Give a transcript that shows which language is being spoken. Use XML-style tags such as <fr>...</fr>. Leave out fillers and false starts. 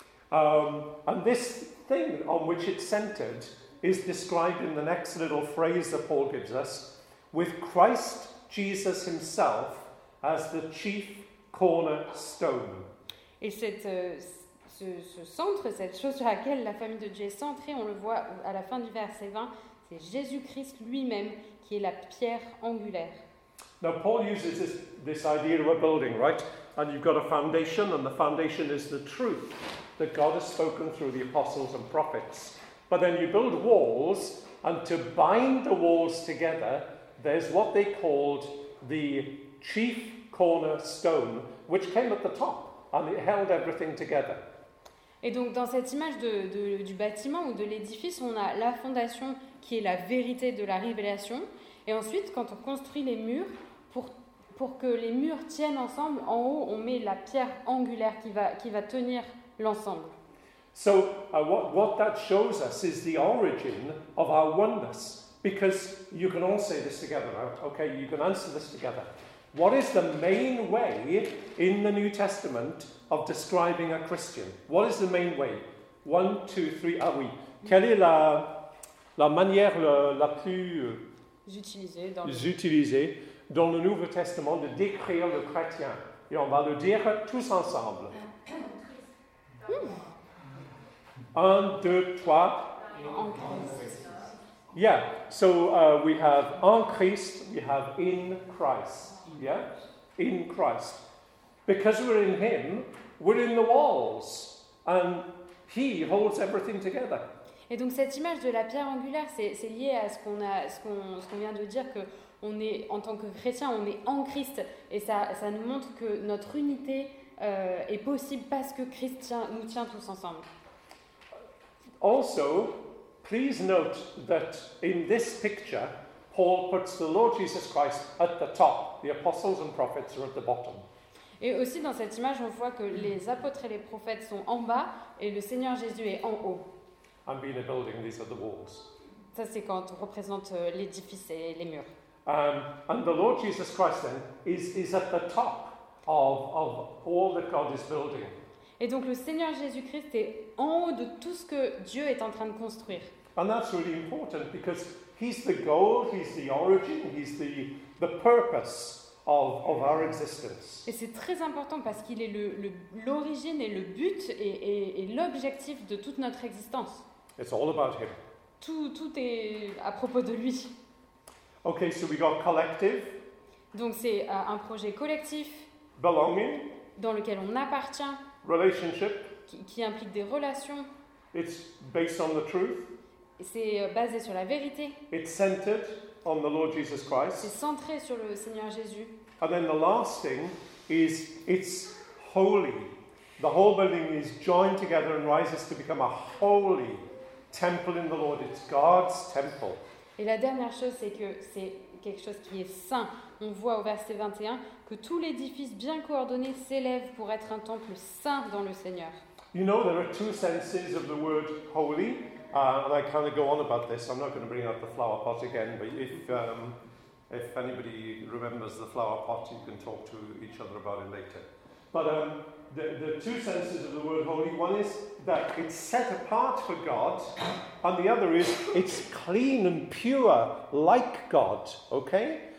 <en>And this thing on which it's centered is described in the next little phrase that Paul gives us, with Christ Jesus himself as the chief cornerstone.</en> <fr>Et cette, ce centre, cette chose sur laquelle la famille de Dieu est centrée, on le voit à la fin du verset 20, c'est Jésus-Christ lui-même qui est la pierre angulaire.</fr> <en>Now Paul uses this idea of a building, right? And you've got a foundation, and the foundation is the truth that God has spoken through the apostles and prophets. But then you build walls, and to bind the walls together, there's what they called the chief cornerstone, which came at the top, and it held everything together.</en> <fr>Et donc dans cette image du bâtiment ou de l'édifice, on a la fondation qui est la vérité de la révélation, et ensuite quand on construit les murs, pour que les murs tiennent ensemble, en haut on met la pierre angulaire qui va tenir l'ensemble.</fr> <en>So what that shows us is the origin of our oneness, because you can all say this together, okay, you can answer this together. What is the main way in the New Testament of describing a Christian? What is the main way? One, two, three,</en> <fr>ah oui. Quelle est la manière la plus utilisée dans le Nouveau Testament de décrire le chrétien? Et on va le dire tous ensemble. Un, deux, trois. En Christ.</fr> <en>Yeah, so we have</en> <fr>en Christ,</fr> <en>we have in Christ. Yeah, in Christ. Because we're in him, we're in the walls. And he holds everything together.</en> <fr>Et donc cette image de la pierre angulaire, c'est lié à ce qu'on vient de dire, qu'on est, en tant que chrétien, on est en Christ. Et ça nous montre que notre unité est possible parce que Christ nous tient tous ensemble.</fr> <en>Also, please note that in this picture, Paul puts the Lord Jesus Christ at the top. The apostles and prophets are at the bottom.</en> <fr>Et aussi dans cette image, on voit que les apôtres et les prophètes sont en bas et le Seigneur Jésus est en haut.</fr> <en>And being a building, these are the walls.</en> <fr>Ça, c'est quand on représente l'édifice et les murs.</fr> <en>And the Lord Jesus Christ then is at the top of all that God is building.</en> <fr>Et donc le Seigneur Jésus-Christ est en haut de tout ce que Dieu est en train de construire.</fr> <en>And that's really important because he's the goal, he's the origin, he's the purpose of our existence.</en> <fr>Et c'est très important parce qu'il est l'origine et le but et l'objectif de toute notre existence.</fr> <en>It's all about him.</en> <fr>Tout est à propos de lui.</fr> <en>Okay, so we got collective.</en> <fr>Donc c'est un projet collectif.</fr> <en>Belonging.</en> <fr>Dans lequel on appartient.</fr> <en>Relationship.</en> <fr>Qui implique des relations.</fr> <en>It's based on the truth.</en> <fr>C'est basé sur la vérité.</fr> <en>It's centered on the Lord Jesus Christ.</en> <fr>C'est centré sur le Seigneur Jésus.</fr> <en>And then the last thing is it's holy. The whole building is joined together and rises to become a holy temple in the Lord. It's God's temple.</en> <fr>Et la dernière chose, c'est que c'est quelque chose qui est saint. On voit au verset 21 que tout l'édifice bien coordonné s'élève pour être un temple saint dans le Seigneur.</fr> <en>You know, there are two senses of the word holy. And I kind of go on about this. I'm not going to bring up the flower pot again, but if anybody remembers the flower pot, you can talk to each other about it later. But the two senses of the word holy, one is that it's set apart for God, and the other is it's clean and pure like God, okay?</en>